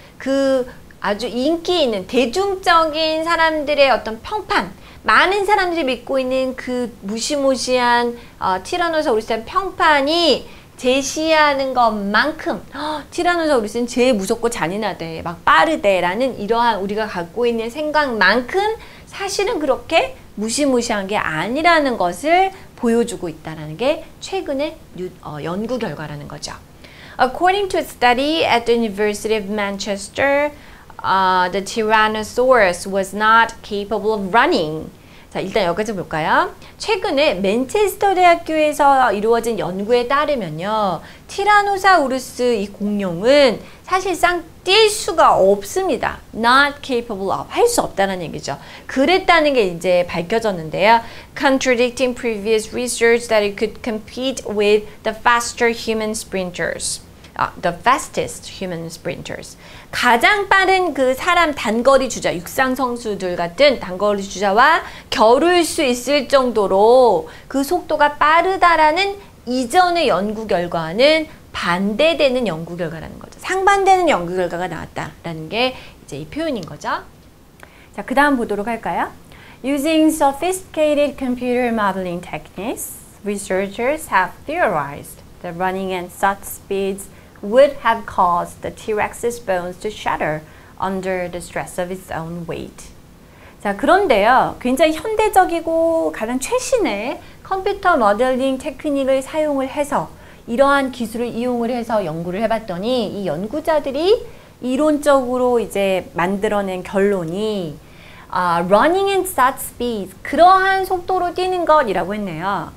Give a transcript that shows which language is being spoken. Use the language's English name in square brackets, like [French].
[Korean] 그 아주 인기 있는 대중적인 사람들의 어떤 평판, 많은 사람들이 믿고 있는 그 무시무시한 티라노사우루스의 평판이 제시하는 것만큼 티라노사우루스는 제일 무섭고 잔인하대, 막 빠르대라는 이러한 우리가 갖고 있는 생각만큼 사실은 그렇게 무시무시한 게 아니라는 것을 보여주고 있다는 게 최근의 연구 결과라는 거죠. [English] According to a study at the University of Manchester, the Tyrannosaurus was not capable of running. [Korean] 자, 일단 여기까지 볼까요? 최근에 맨체스터 대학교에서 이루어진 연구에 따르면요. 티라노사우루스 이 공룡은 사실상 뛸 수가 없습니다. [English] Not capable of. [Korean] 할 수 없다는 얘기죠. 그랬다는 게 이제 밝혀졌는데요. [English] Contradicting previous research that it could compete with the faster human sprinters. The fastest human sprinters. [Korean] 가장 빠른 그 사람 단거리 주자, 육상 선수들 같은 단거리 주자와 겨룰 수 있을 정도로 그 속도가 빠르다라는 이전의 연구 결과는 반대되는 연구 결과라는 거죠. 상반되는 연구 결과가 나왔다라는 게 이제 이 표현인 거죠. 자, 그 다음 보도록 할까요? [English] Using sophisticated computer modeling techniques, researchers have theorized that running at such speeds would have caused the T-Rex's bones to shatter under the stress of its own weight. [Korean] 자, 그런데요, 굉장히 현대적이고 가장 최신의 컴퓨터 모델링 테크닉을 사용을 해서 이러한 기술을 이용을 해서 연구를 해봤더니 이 연구자들이 이론적으로 이제 만들어낸 결론이 [English] running at such speed, [Korean] 그러한 속도로 뛰는 것이라고 했네요.